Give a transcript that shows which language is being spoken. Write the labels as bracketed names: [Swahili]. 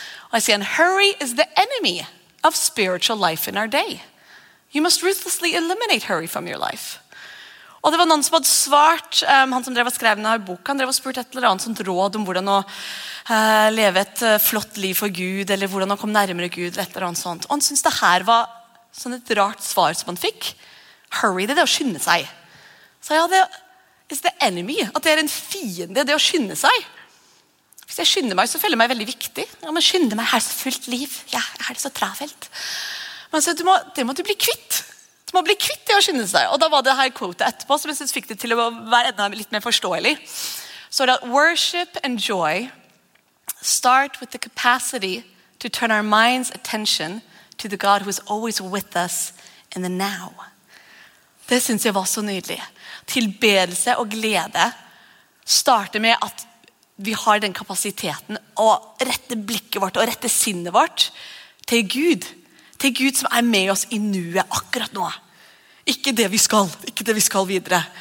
[Norwegian] Og jeg sier, [English] hurry is the enemy of spiritual life in our day. You must ruthlessly eliminate hurry from your life. [Norwegian] Og det var noen som hadde svart, han som drev å skrive denne boka, han drev å spurt et eller annet sånt råd om hvordan å leve et flott liv for Gud, eller hvordan å komme nærmere Gud, et eller annet sånt. Og han syntes det her var sånn et rart svar som han fikk. Hurry, det å skynde seg. Så ja, det [English] is the enemy, [Norwegian] at det en fiende, det å skynde seg. Hvis jeg skynder meg, så føler jeg meg veldig viktig. Ja, men skynde meg, her er så fullt liv. Ja, her er det så travelt. Men så, det må du bli kvitt. Du må bli kvitt i å skynde seg. Og da var det her quote etterpå, som jeg synes fikk det til å være enda litt mer forståelig. Så det at [English] worship and joy start with the capacity to turn our minds' attention to the God who is always with us in the now. [Norwegian] Det synes jeg var så nydelig. Tilbedelse og glede starter med at vi har den kapasiteten å rette blikket vårt og rette sinnet vårt til Gud. Til Gud som med oss i nuet akkurat nå. Ikke det vi skal, ikke det vi skal videre.